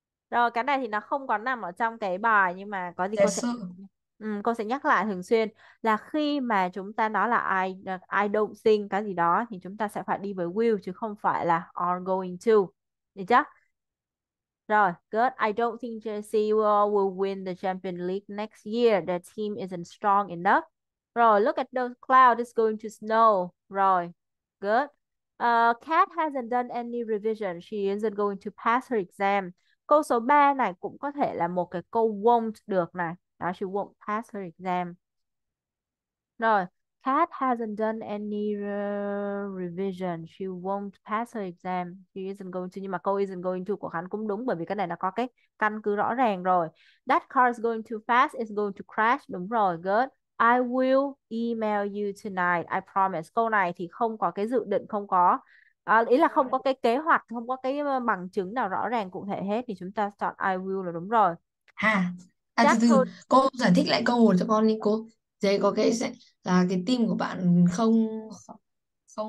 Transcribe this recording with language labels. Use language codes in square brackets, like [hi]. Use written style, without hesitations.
[vi] Rồi cái này thì nó không có nằm ở trong cái bài nhưng mà có gì Giả cô sẽ sử. cô sẽ nhắc lại thường xuyên là khi mà chúng ta nói là [en] I don't think [vi] cái gì đó thì chúng ta sẽ phải đi với will chứ không phải là are going to. Đi chưa? Rồi, good. [en] I don't think Chelsea will win the Champions League next year. The team isn't strong enough. [vi] Rồi, [en] look at those clouds, it's going to snow. [vi] Rồi, [en] good. Kat hasn't done any revision, she isn't going to pass her exam. [vi] Câu số 3 này cũng có thể là một cái câu won't được này. Đó, [en] she won't pass her exam. Rồi, Kat hasn't done any revision, she won't pass her exam. She isn't going to, [vi] nhưng mà câu [en] isn't going to [vi] của Khánh cũng đúng bởi vì cái này nó có cái căn cứ rõ ràng rồi. [en] That car is going too fast, it's going to crash. [vi] Đúng rồi, [en] good. I will email you tonight, I promise. [vi] Câu này thì không có cái dự định, không có. Ý là không có cái kế hoạch, không có cái bằng chứng nào rõ ràng cụ thể hết. Thì chúng ta chọn [en] I will [vi] là đúng rồi. À, từ Chắc từ cô giải thích lại câu một cho con đi cô. Đây có cái sẽ là cái team của bạn không không